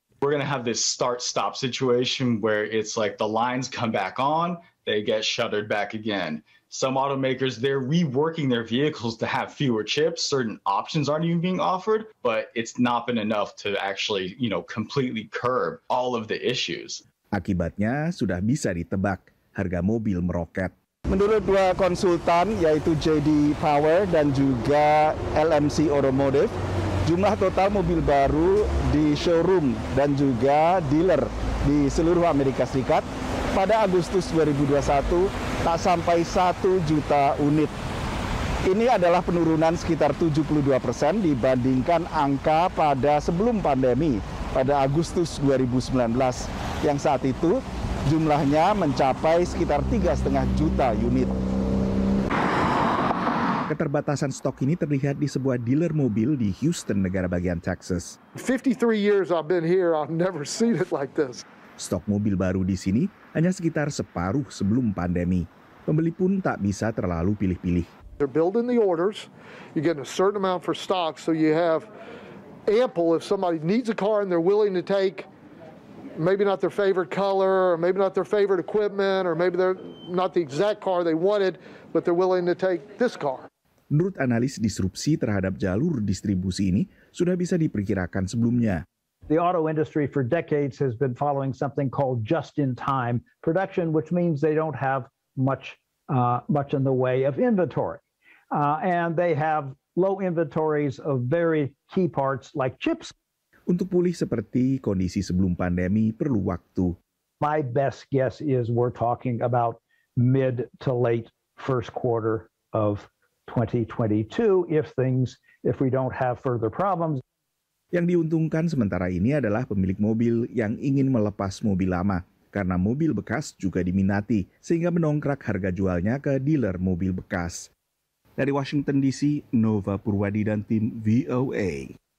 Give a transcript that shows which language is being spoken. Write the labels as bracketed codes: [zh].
[en] We're going to have this start-stop situation where it's like the lines come back on, they get shuttered back again. Some automakers, they're reworking their vehicles to have fewer chips. Certain options aren't even being offered, but it's not been enough to actually, you know, completely curb all of the issues. [id] Akibatnya sudah bisa ditebak, harga mobil meroket. Menurut dua konsultan yaitu JD Power dan juga LMC Automotive, jumlah total mobil baru di showroom dan juga dealer di seluruh Amerika Serikat pada Agustus 2021 tak sampai 1 juta unit. Ini adalah penurunan sekitar 72% dibandingkan angka pada sebelum pandemi pada Agustus 2019. Yang saat itu jumlahnya mencapai sekitar 3,5 juta unit. Keterbatasan stok ini terlihat di sebuah dealer mobil di Houston, negara bagian Texas. [en] 53 years I've been here, I've never seen it like this. [id] Stok mobil baru di sini hanya sekitar separuh sebelum pandemi. Pembeli pun tak bisa terlalu pilih-pilih. [en] They're building the orders, you get a certain amount for stock, so you have ample if somebody needs a car and they're willing to take maybe not their favorite color, or maybe not their favorite equipment, or maybe they're not the exact car they wanted, but they're willing to take this car. [id] Menurut analis, disrupsi terhadap jalur distribusi ini sudah bisa diperkirakan sebelumnya. [en] The auto industry for decades has been following something called just-in-time production, which means they don't have much in the way of inventory. And they have low inventories of very key parts like chips. [id] Untuk pulih seperti kondisi sebelum pandemi perlu waktu. [en] My best guess is we're talking about mid to late first quarter of 2022 if we don't have further problems. [id] Yang diuntungkan sementara ini adalah pemilik mobil yang ingin melepas mobil lama karena mobil bekas juga diminati sehingga menongkrak harga jualnya ke dealer mobil bekas. Dari Washington DC, Nova Purwadi dan tim VOA.